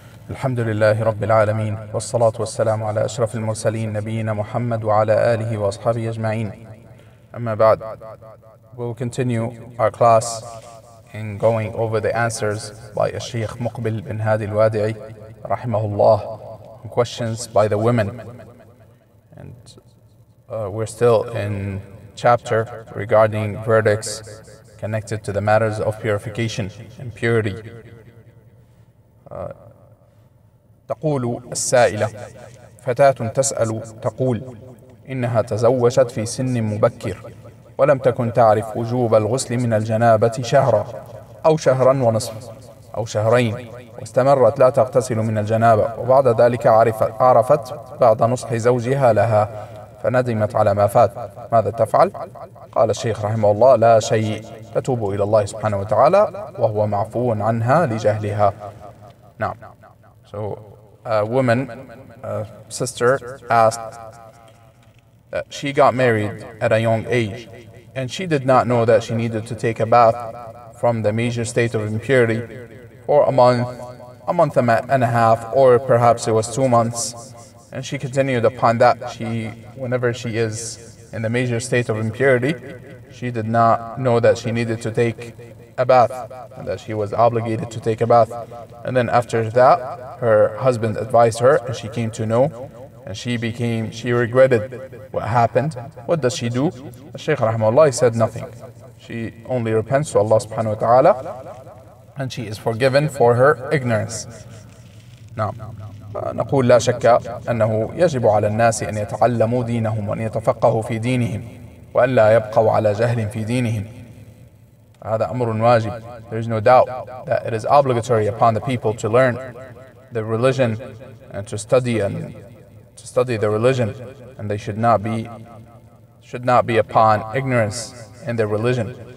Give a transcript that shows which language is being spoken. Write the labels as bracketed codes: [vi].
[ar] الحمد لله رب العالمين، والصلاة والسلام على أشرف المرسلين نبينا محمد وعلى آله وأصحابه أجمعين. أما بعد، [en] we'll continue our class in going over the answers by الشيخ مقبل بن هادي الوادعي رحمه الله and questions by the women. And we're still in chapter regarding verdicts connected to the matters of purification and purity. [ar] تقول السائلة: فتاة تسأل تقول إنها تزوجت في سن مبكر ولم تكن تعرف وجوب الغسل من الجنابة شهرا أو شهرا ونصف أو شهرين، واستمرت لا تغتسل من الجنابة، وبعد ذلك عرفت بعد نصح زوجها لها فندمت على ما فات، ماذا تفعل؟ قال الشيخ رحمه الله: لا شيء، تتوب إلى الله سبحانه وتعالى وهو معفو عنها لجهلها. نعم. [en] So a woman, a sister asked, she got married at a young age and she did not know that she needed to take a bath from the major state of impurity for a month and a half, or perhaps it was 2 months. And she continued upon that. Whenever she is in the major state of impurity, she did not know that she needed to take a bath, and that she was obligated to take a bath. And then after that, her husband advised her, and she came to know, and she regretted what happened. What does she do? The Shaykh rahimahullah said nothing. She only repents to Allah subhanahu wa ta'ala, and she is forgiven for her ignorance. [ar] Naam. نقول: لا شك أنه يجب على الناس أن يتعلموا دينهم وأن يتفقهوا في دينهم وأن لا يبقوا على جهل في دينهم. هذا أمر واجب. [en] There is no doubt that it is obligatory upon the people to learn the religion and to study the religion, and they should not be upon ignorance in their religion.